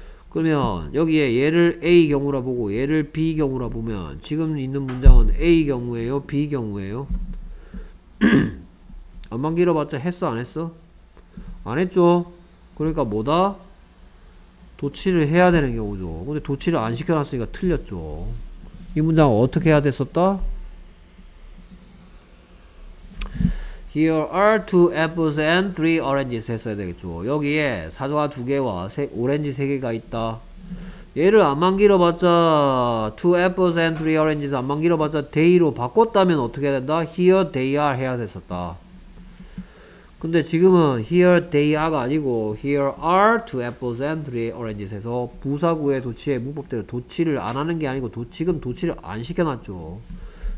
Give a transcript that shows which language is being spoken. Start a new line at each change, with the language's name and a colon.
Korean: 그러면 여기에 얘를 A 경우라 보고 얘를 B 경우라 보면 지금 있는 문장은 A 경우예요? B 경우예요? 안만 길어봤자 했어 안 했어? 안 했죠. 그러니까 뭐다? 도치를 해야 되는 경우죠. 근데 도치를 안 시켜놨으니까 틀렸죠. 이 문장 어떻게 해야 됐었다?
English: Here are two apples and three oranges
Korean: 했어야 되겠죠. 여기에 사과 두 개와 오렌지 세 개가 있다. 얘를 안만 길어봤자
English: two apples and three oranges
Korean: 안만 길어봤자 they로 바꿨다면 어떻게 해야 된다?
English: Here they are
Korean: 해야 됐었다. 근데 지금은
English: here they are
Korean: 가 아니고
English: here are two apples and three oranges
Korean: 해서 부사구의 도치의 문법대로 도치를 안 하는 게 아니고 지금 도치를 안 시켜놨죠.